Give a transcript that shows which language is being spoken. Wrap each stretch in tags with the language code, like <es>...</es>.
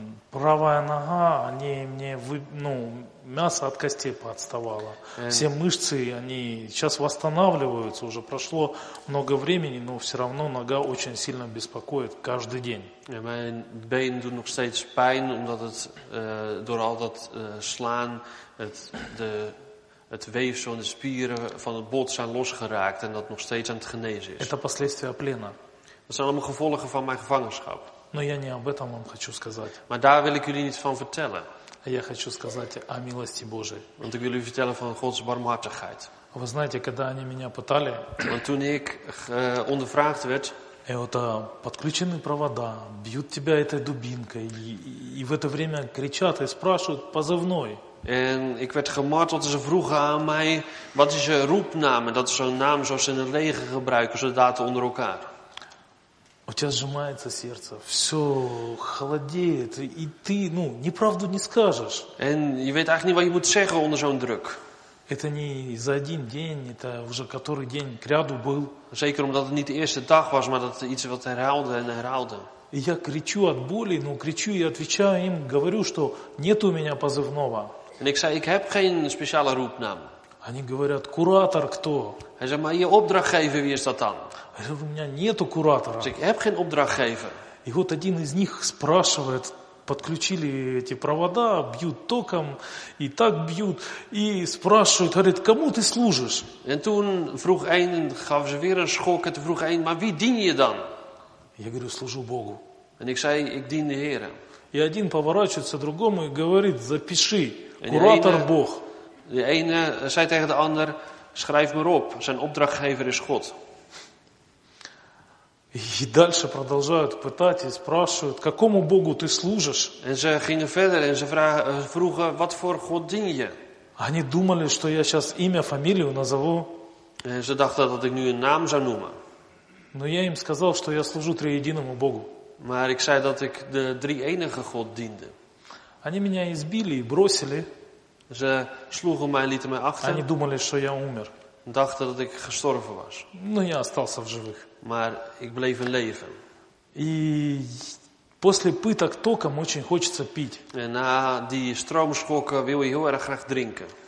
<ru>Правая нога, они мне мясо от костей поотставало. Все мышцы, они сейчас восстанавливаются, уже прошло много времени, но все равно нога очень сильно беспокоит каждый день.</ru> <nl>Mijn been doet nog steeds pijn, omdat het door al dat slaan, het weefsel en de spieren van het bot zijn losgeraakt en dat nog steeds aan het genezen is.</nl> <ru>Это последствия плена.</ru> <nl>Dat zijn allemaal gevolgen van mijn gevangenschap.</nl> <ru>Но я не об этом вам хочу сказать.</ru> <nl>Maar daar wil ik jullie niet van vertellen.</nl> <ru>Я хочу сказать о милости Божией.</ru> <nl>Want ik wil jullie vertellen van Gods barmhartigheid.</nl> <ru>Вы знаете, когда они меня пытали?</ru> <nl>Want toen ik ondervraagd werd.</nl> <ru>И вот подключены провода, бьют тебя этой дубинкой, и в это время кричат и спрашивают позывной.</ru> <nl>En ik werd gemarteld, ze vroegen aan mij: "Wat is je roepname?" Dat is zo'n naam zoals ze in het leger gebruiken, soldaten onder elkaar.</nl> <ru>У тебя сжимается сердце, все холодеет, и ты, ну, неправду не скажешь.</ru> <nl>En je weet eigenlijk niet wat je moet zeggen onder zo'n druk.</nl> <ru>Это не за один день, это уже который день кряду был.</ru> <nl>Zeker omdat het niet de eerste dag was, maar dat iets wat herhaalde en herhaalde.</nl> <ru>И я кричу от боли, но кричу и отвечаю им, говорю, что нет у меня позывного.</ru> <nl>En ik zei, ik heb geen speciale roepnaam.</nl> <ru>Они говорят, куратор кто?</ru> <nl>Hij zei, maar je opdrachtgever, wie is dat dan? Hij zei,</nl> <ru>у меня нету куратора.</ru> <nl>Dus ik heb geen opdrachtgever.</nl> <ru>И вот один из них спрашивает, подключили эти провода, бьют током, и так бьют, и спрашивают, говорит, кому ты служишь?</ru> <nl>En toen vroeg een, gaf ze weer een schok, en vroeg een, maar wie dien je dan?</nl> <ru>Я говорю, служу Богу.</ru> <nl>En ik zei, ik dien de Heer.</nl> <ru>И один поворачивается другому и говорит, запиши, куратор Бог.</ru> <nl>De ene zei tegen de ander, schrijf maar op, zijn opdrachtgever is God.</nl> <ru>И дальше продолжают пытать и спрашивают, какому Богу ты служишь?</ru> <nl>En ze gingen verder en ze vroegen, wat voor God dien je?</nl> <ru>Они думали, что я сейчас имя, фамилию назову.</ru> <nl>En ze dachten dat ik nu een naam zou noemen.</nl> <ru>Но я им сказал, что я служу триединому Богу.</ru> <nl>Maar ik zei dat ik de drie enige God diende.</nl> <ru>Они меня избили и бросили.</ru> <nl>Ze sloegen mij, lieten mij achter.</nl> <ru>Они думали, что я умер.</ru> <nl>Dachten dat ik gestorven was.</nl> <ru>Но я остался в живых.</ru> <nl>Maar ik bleef in leven.</nl> <ru>И после пыток током очень хочется пить.</ru> <nl>En na die stroomschokken wil je heel erg graag drinken.</nl>